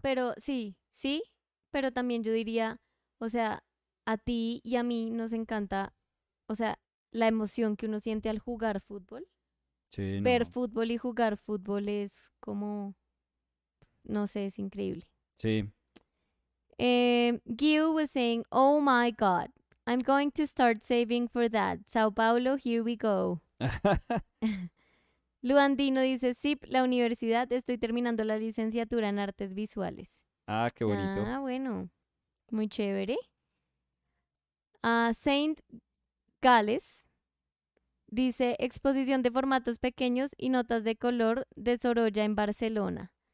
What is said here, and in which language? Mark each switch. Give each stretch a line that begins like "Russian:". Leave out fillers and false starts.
Spanish: pero sí, pero también yo diría, o sea, a ti y a mí nos encanta, o sea, la emoción que uno siente al jugar fútbol. Sí, Ver no. fútbol y jugar fútbol es como, no sé, es increíble. Sí.
English: Gil was saying, oh my God, I'm going to start saving for that. Sao Paulo, here we go.
Spanish: Luandino dice, sí, la universidad, estoy terminando la licenciatura en artes visuales. Ah, qué bonito. Ah, bueno, muy chévere. Saint Gales Dice exposición de formatos pequeños y notas de color de Sorolla en Barcelona.